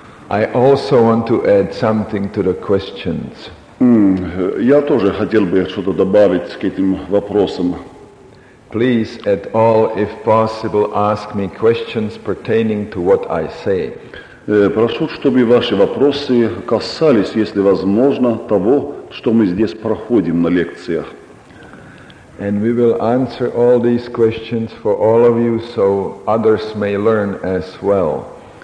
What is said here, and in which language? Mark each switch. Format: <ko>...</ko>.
<en>I also want to add something to the questions.</en> <ru>Я тоже хотел бы что-то добавить к этим вопросам.</ru> <en>Please, at all, if possible, ask me questions pertaining to what I say.</en> <ru>Прошу, чтобы ваши вопросы касались, если возможно, того, что мы здесь проходим на лекциях.</ru> <en>And we will answer all these questions for all of you, so others may learn as well.</en>